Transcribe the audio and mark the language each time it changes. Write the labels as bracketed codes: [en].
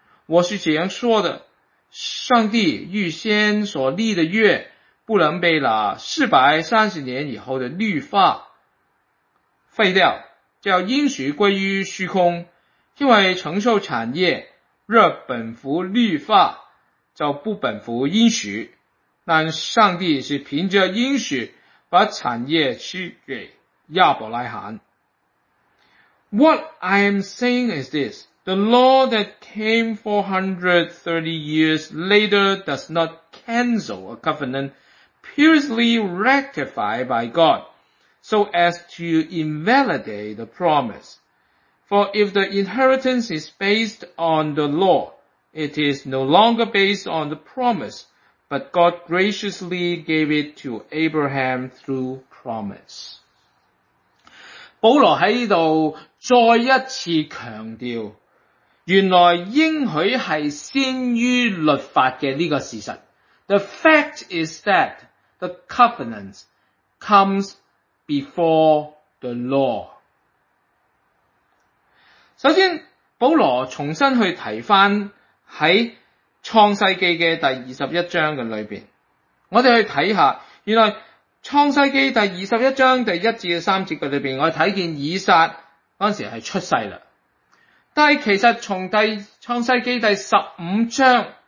[zh] 我是这样说的，上帝预先所立的约不能被那430年以后的律法废掉，叫应许归于虚空，因为承受产业若本乎律法就不本乎应许，但上帝是凭着应许把产业赐给亚伯拉罕。 [en] What I am saying is this, the law that came 430 years later does not cancel a covenant purely rectified by God so as to invalidate the promise. For if the inheritance is based on the law, it is no longer based on the promise,But God graciously gave it to Abraham through promise. [zh] 保罗在这里再一次强调，原来应许是先于律法的这个事实。 [en] The fact is that the covenant comes before the law. [zh] 首先，保罗重新去提翻在创世纪的第21章的里面，我们去看一下，原来创世纪第21章第1至3节的里面，我们看见以撒那时候是出世了，但是其实从第创世纪第15章